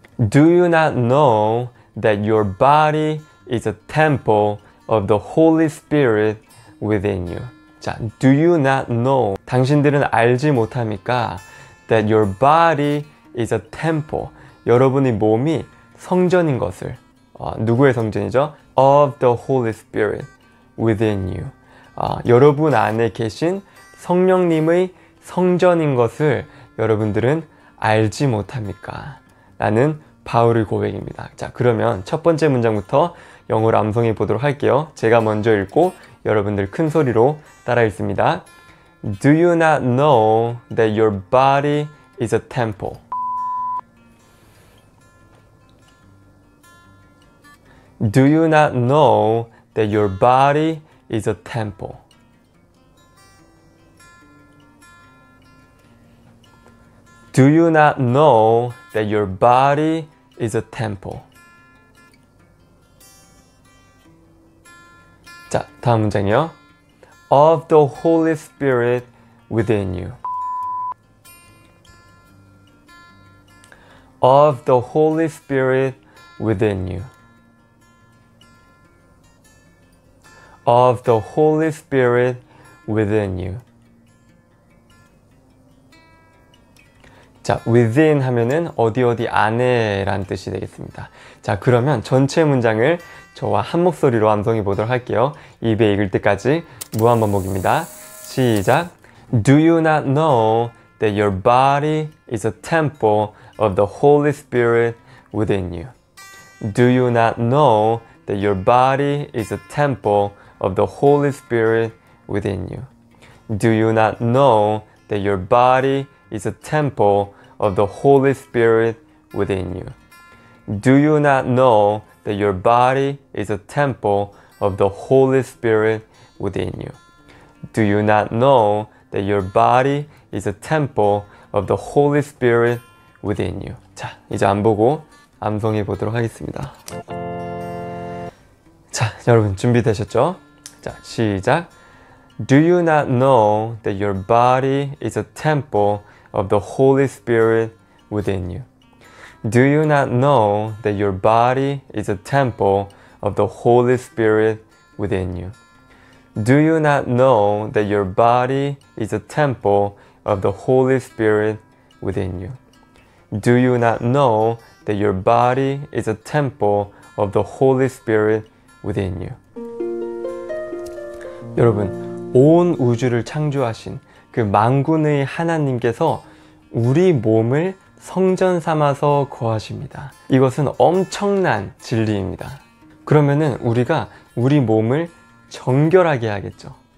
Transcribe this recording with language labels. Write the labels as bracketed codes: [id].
[en] Do you not know that your body is a temple of the Holy Spirit within you? 자, do you not know? [ko] 당신들은 알지 못합니까? [en] That your body is a temple. [ko] 여러분의 몸이 성전인 것을. 누구의 성전이죠? [en] Of the Holy Spirit within you. [ko] 여러분 안에 계신 성령님의 성전인 것을 여러분들은 알지 못합니까? 라는 바울의 고백입니다. 자, 그러면 첫 번째 문장부터 영어로 암송해 보도록 할게요. 제가 먼저 읽고 여러분들 큰 소리로 따라 읽습니다. [en] Do you not know that your body is a temple? Do you not know that your body is a temple? Do you not know that your body is a temple? [ko] 자, 다음 문장이요. [en] Of the Holy Spirit within you. Of the Holy Spirit within you. Of the Holy Spirit within you. [ko] 자, within 하면은 어디 어디 안에 라는 뜻이 되겠습니다. 자, 그러면 전체 문장을 저와 한 목소리로 암송해 보도록 할게요. 입에 익을 때까지 무한 반복입니다. 시작! [en] Do you not know that your body is a temple of the Holy Spirit within you? Do you not know that your body is a temple of the Holy Spirit within you? Do you not know that your body is a temple of the Holy Spirit within you? Do you not know that your body is a temple of the Holy Spirit within you? Do you not know that your body is a temple of the Holy Spirit within you? [ko] 자, 이제 안 보고 암송해 보도록 하겠습니다. 자, 여러분 준비되셨죠? 자, 시작! [en] Do you not know that your body is a temple of the Holy Spirit within you? Do you not know that your body is a temple of the Holy Spirit within you? Do you not know that your body is a temple of the Holy Spirit within you? Do you not know that your body is a temple of the Holy Spirit within you? [ko] 여러분, 온 우주를 창조하신 그 만군의 하나님께서 우리 몸을 성전 삼아서 거하십니다. 이것은 엄청난 진리입니다. 그러면은 우리가 우리 몸을 정결하게 하겠죠.